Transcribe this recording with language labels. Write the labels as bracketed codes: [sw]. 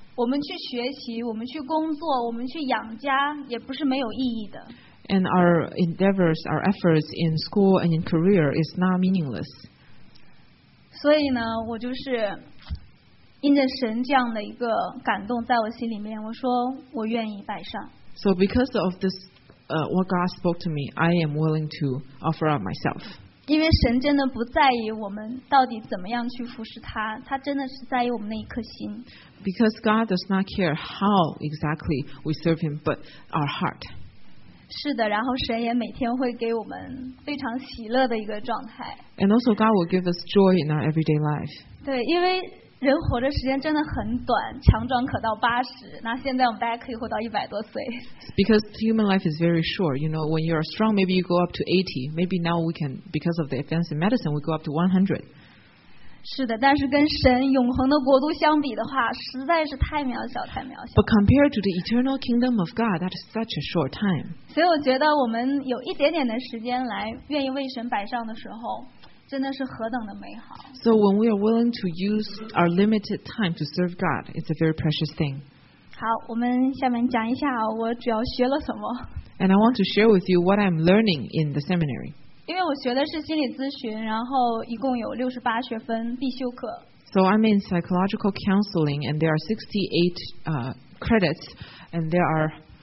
[zh] 我们去学习，我们去工作，我们去养家，也不是没有意义的。 [en] And our endeavors, our efforts in school and in career is not meaningless. [zh] 所以呢，我就是因着神这样的一个感动在我心里面，我说我愿意摆上。 [en] So because of thiswhat God spoke to me, I am willing to offer up myself. [zh] 因为神真的不在意我们到底怎么样去服侍他，他真的是在意我们那一颗心。 [en] Because God does not care how exactly we serve Him, but our heart. [zh] 是的，然后神也每天会给我们非常喜乐的一个状态。 [en] And also God will give us joy in our everyday life. [zh] 对，因为人活着时间真的很短，强壮可到八十，那现在我们大家可以活到一百多岁。 [en] Because human life is very short, you know, when you are strong, maybe you go up to 80. Maybe now we can, because of the advance in medicine, we go up to 100. [zh] 是的，但是跟神永恒的国度相比的话，实在是太渺小，太渺小。 [en] But compared to the eternal kingdom of God, that is such a short time. [zh] 所以我觉得我们有一点点的时间来愿意为神摆上的时候。真的是何等的美好。 [en] So when we are willing to use our limited time to serve God, it's a very precious thing. [zh] 好，我们下面讲一下我主要学了什么。 [en] And I want to share with you what I'm learning in the seminary. [zh] 因为我学的是心理咨询，然后一共有68学分必修课。 [en] So I'm in psychological counseling, and there are 68 credits, and there are